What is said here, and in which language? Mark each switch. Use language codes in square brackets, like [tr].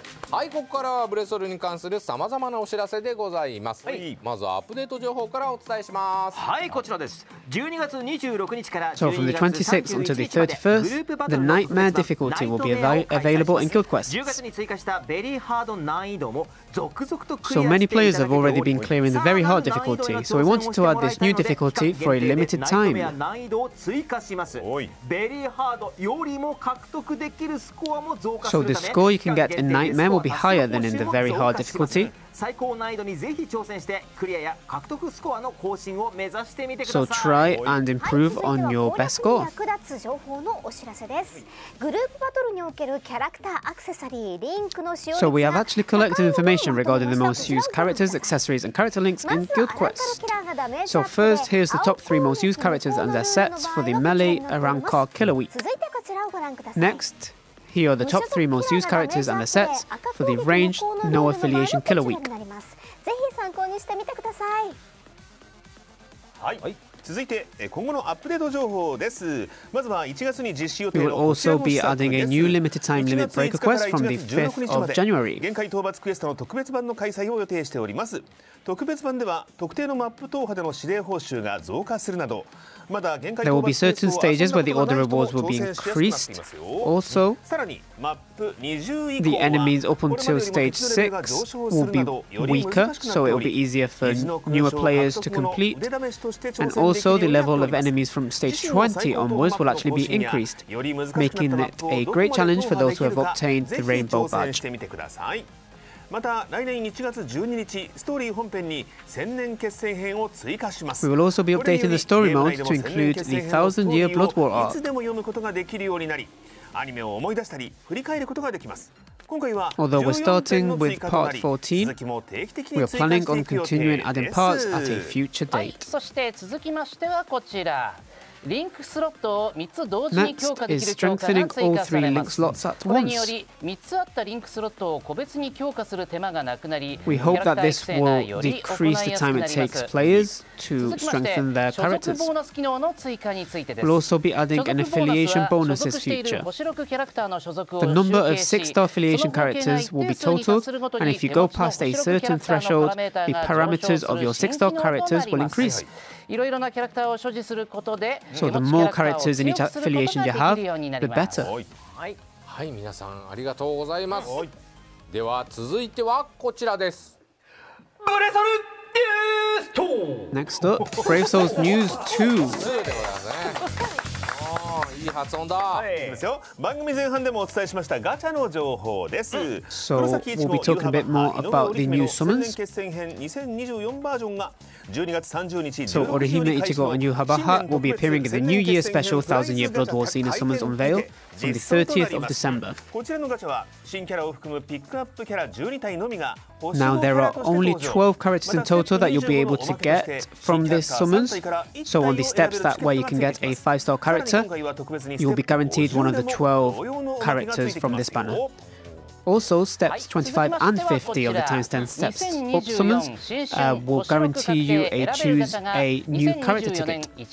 [ja] はい、ここからはブレソルに関するさまざまなお知らせでございます。はい、まずはアップデート情報からお伝えします。はい、こちらです。12月26日から12月31日までグループバトルのナイトメア、 [en] Nightmare difficulty will be available in Guild Quest. [ja] 10月に追加したベリーハード難易度も続々とクリアしていただける。 [en] So many players have already been clearing the very hard difficulty, so we wanted to add this new difficulty for a limited time. [ja] 難易度を追加します。ベリーハードよりも獲得できるスコアも増加するため、 [en] So the score you can get in Nightmare will be higher than in the very hard difficulty. [ja] 最高難易度にぜひ挑戦してクリアや獲得スコアの更新を目指してみてください。 [en] So try and improve on your best score. [ja] 攻略に役立つ情報のお知らせです。グループバトルにおけるキャラクターアクセサリーリンクの使用率が、 [en] So we have actually collected information regarding the most used characters, accessories and character links in Guild Quest. So first, here's the top three most used characters and their sets for the melee Arrancar Killer Week. Next, here are the top three most used characters and their sets for the ranged No Affiliation Killer Week. [ja] ぜひ参考にしてみてください。はい、続いて今後のアップデート情報です。まずは1月に実施予定のこちらのスタッフです。1月5日から1月16日まで限界討伐クエストの特別版の開催を予定しております。特別版では特定のマップ踏破での指令報酬が増加するなど、まだ限界討伐クエストを遊んだことがない人も挑戦しやすくなっていますよ。 [en] Also, [ja] さらにマップ20以降は [en] The enemies up until stage 6 will be weaker, so it will be easier for newer players to complete. And also, the level of enemies from stage 20 onwards will actually be increased, making it a great challenge for those who have obtained the rainbow badge. [ja] また来年1月12日、ストーリー本編に千年決戦編を追加します。 [en] We will also be updating the story mode to include the Thousand Year Blood War arc. [ja] いつでも読むことができるようになり、アニメを思い出したり振り返ることができます。今回は [en] Although we're starting with part 14, we are planning on continuing adding parts at a future date. [ja] はい、そして続きましてはこちら。リンクスロットを3つ同時に強化できる強化が追加されます。これにより3つあったリンクスロットを個別に強化する手間がなくなり、キャラクター育成がより行いやすくなります。続きまして、所属ボーナス機能の追加についてです。所属ボーナスは所属している星6キャラクターの所属を集計し、その合計が一定数に達するごとに手持ちの星6キャラクターのパラメータが上昇する新機能となります。はいはい、いろいろなキャラクターを所持することで、so、手持ちキャラクターを強くすることができるようになります。 [en] So the more characters in each affiliation you have, the better. [ja] はい、はい、皆さんありがとうございます。では続いてはこちらです。ブレソルニュース2。 [en] Next up, Brave Souls News 2 [ja] でございますね。いい発音だ。はい、ですよ。番組前半でもお伝えしましたガチャの情報です。 [en] So, we'll be talking a bit more about the new summons. [ja] 千年決戦編2024バージョンが12月30日、 [en] So, Orihime Ichigo and Yuhabaha will be appearing in the New Year Special Thousand Year Blood War Scene Summons Unveil on the 30th of December. こちらのガチャは新キャラを含むピックアップキャラ12体のみが、 Now there are only 12 characters in total that you'll be able to get from this summons. So on the steps that where you can get a 5-star character, you'll be guaranteed one of the 12 characters from this banner. Also, steps 25 and 50 of the timestamp steps summons will guarantee you a choose a new character ticket.